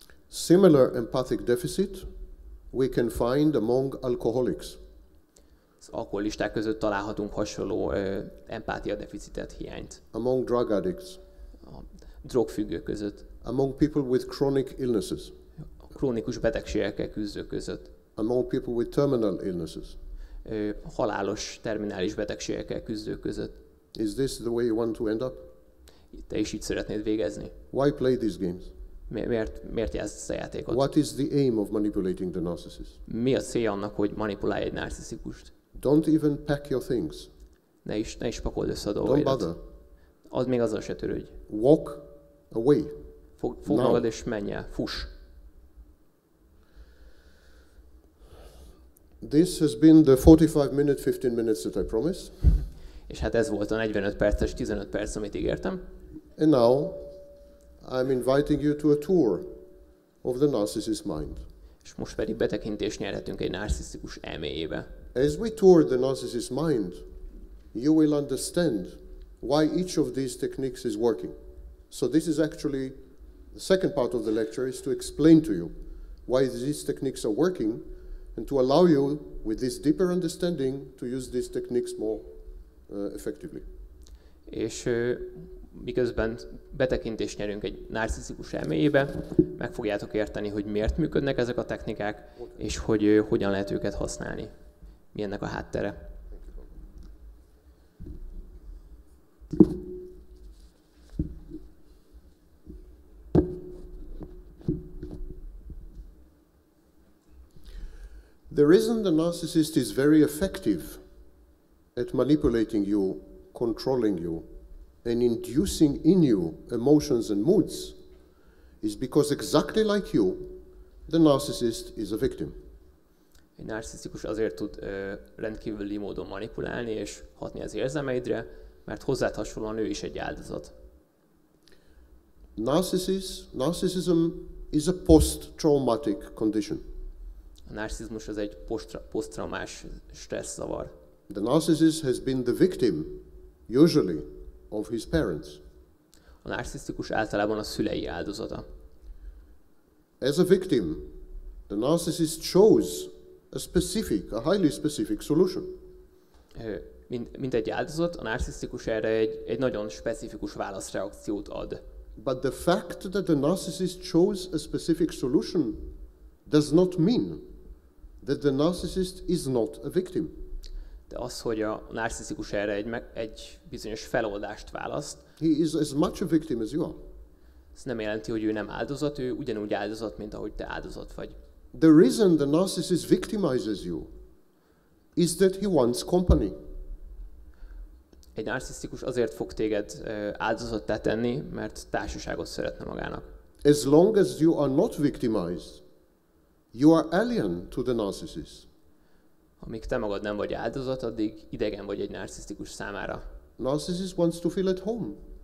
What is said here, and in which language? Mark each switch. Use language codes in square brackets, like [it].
[en] Similar empathic deficit we can find among alcoholics. [hu] az alkoholisták között találhatunk hasonló empátia deficitet, hiányt. [en] Among drug addicts. [hu] A drogfüggők között. [en] Among people with chronic illnesses. [hu] A krónikus betegségekkel küzdők között. [en] Among people with terminal illnesses. [hu] Halálos, terminális betegségekkel küzdők között. [en] Is this the way you want to end up? [hu] Te is így szeretnéd végezni? [en] Why play these games? [hu] Miért játszasz a játékot? [en] What is the aim of manipulating the narcissist? [hu] Mi a célja annak, hogy manipulálj egy narcisztikust? [en] Don't even pack your things. [hu] Ne is pakold össze a dolgaidat. [en] Don't bother. [hu] Az még azzal se törődj. [en] Walk away. [hu] Fogd magad és menj el. Fuss. [en] This has been the 45 minute, 15 minutes that I promised. [hu] És hát ez volt a 45 perces, 15 perc, amit ígértem. [en] And now I'm inviting you to a tour of the narcissist mind. [hu] És most pedig betekintést nyerhetünk egy narcisztikus elméjébe. [en] As we tour the narcissist mind, you will understand why each of these techniques is working. So this is actually the second part of the lecture, is to explain to you why these techniques are working and to allow you, with this deeper understanding, to use these techniques more effectively. [hu] És miközben betekintést nyerünk egy narcisztikus elméjébe, meg fogjátok érteni, hogy miért működnek ezek a technikák, és hogy hogyan lehet őket használni. Mi ennek a háttere? [en] The reason the narcissist is very effective at manipulating you, controlling you, and inducing in you emotions and moods is because, exactly like you, the narcissist is a victim. [hu] A narcisztikus azért tud rendkívüli módon manipulálni és hatni az érzelmeidre, mert hozzád hasonlóan ő is egy áldozat. [en] Narcissism is a post-traumatic condition. [hu] A narcizmus az egy posttraumás stressz zavar. [en] The narcissist has been the victim, usually, of his parents. [hu] A narcisztikus általában a szülei áldozata. [en] As a victim, the narcissist chose a highly specific solution. [hu] Mint egy áldozat, a narcisztikus erre egy nagyon specifikus válaszreakciót ad. [en] But the fact that the narcissist chose a specific solution does not mean that the narcissist is not a victim. [hu] De az, hogy a narcisztikus erre egy bizonyos feloldást választ, [en] he is as much a victim as you are. [hu] Ez nem jelenti, hogy ő nem áldozat, ő ugyanúgy áldozat, mint ahogy te áldozat vagy. [en] The reason the narcissist victimizes you is that he wants company. [hu] Egy narcisztikus azért fog téged áldozattá tenni, mert társaságot szeretne magának. [en] As long as you are not victimized, you are alien to the narcissist. [hu] Amíg te magad nem vagy áldozat, addig idegen vagy egy narcisztikus számára. [en] Narcissist wants to feel at home.